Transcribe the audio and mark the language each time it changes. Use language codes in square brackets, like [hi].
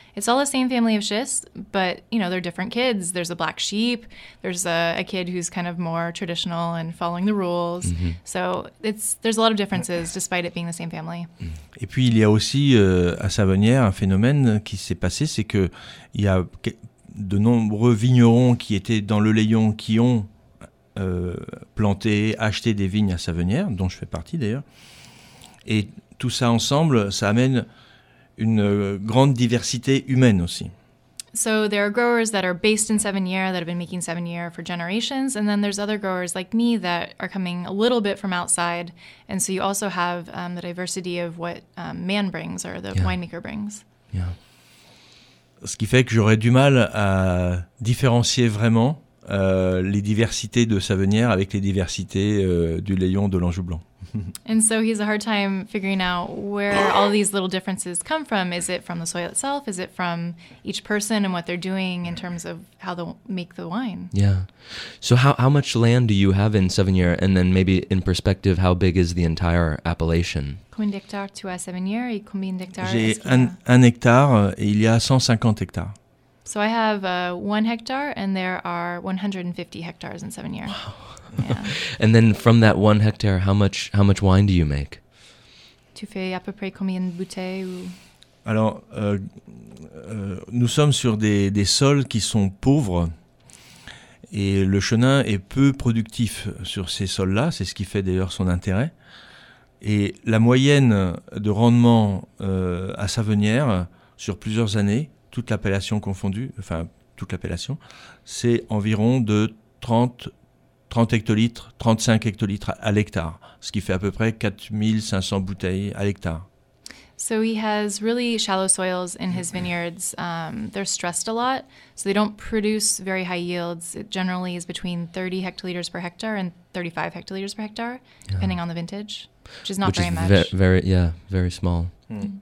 [en] It's all the same family of schists, but, you know, they're different kids. There's a black sheep. There's a kid who's kind of more traditional and following the rules. Mm-hmm. So there's a lot of differences despite it being the same family. Mm-hmm. [fr] Et puis, il y a aussi à Savenière un phénomène qui s'est passé, c'est qu'il y a de nombreux vignerons qui étaient dans le Layon qui ont planté, acheté des vignes à Savenière, dont je fais partie d'ailleurs. Et tout ça ensemble, ça amène une grande diversité humaine aussi. [en] So there are growers that are based in Savenière that have been making Savenière for generations, and then there's other growers like me that are coming a little bit from outside, and so you also have the diversity of what man brings or the yeah. winemaker brings. Yeah. [fr] Ce qui fait que j'aurais du mal à différencier vraiment les diversités de Savenière avec les diversités du Layon de l'Anjou Blanc. [en] And so he has a hard time figuring out where all these little differences come from. Is it from the soil itself? Is it from each person and what they're doing in terms of how they make the wine? Yeah. So how much land do you have in Savenière? And then maybe in perspective, how big is the entire appellation? [fr] Combien d'hectares tu as à Savenière et combien d'hectares est-ce qu'il y a? J'ai un hectare et il y a 150 hectares. [en] So I have 1 hectare and there are 150 hectares in Savenière. Wow. Yeah. And then from that 1 hectare, how much wine do you make? [fr] Tu fais à peu près combien de bouteilles ou? Alors, nous sommes sur des sols qui sont pauvres et le chenin est peu productif sur ces sols-là. C'est ce qui fait d'ailleurs son intérêt. Et la moyenne de rendement à Savenière sur plusieurs années, toute l'appellation confondue, enfin toute l'appellation, c'est environ de 30 hectolitres, 35 hectolitres à l'hectare, ce qui fait à peu près 4500 bouteilles à l'hectare. [en] So he has really shallow soils in his vineyards. They're stressed a lot, so they don't produce very high yields. It generally is between 30 hectoliters per hectare and 35 hectoliters per hectare, depending on the vintage, which is not which very is much. Very small. Mm.